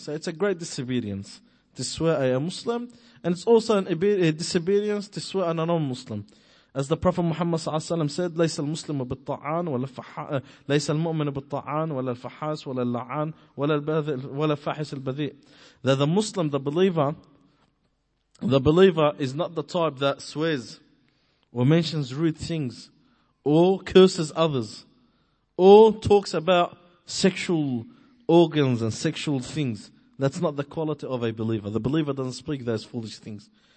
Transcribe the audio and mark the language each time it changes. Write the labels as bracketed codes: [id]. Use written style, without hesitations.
[en] So it's a great disobedience to swear I am Muslim, and it's also a disobedience to swear I'm a non-Muslim. As the Prophet Muhammad صلى الله عليه وسلم said, [ar] ليس المسلم بالطعان ولا الفح ليس المؤمن بالطعان ولا الفحاس ولا اللعان ولا ولا الفاحش البذيء. [en] That the Muslim, the believer is not the type that swears or mentions rude things or curses others or talks about sexual organs and sexual things. That's not the quality of a believer. The believer doesn't speak those foolish things.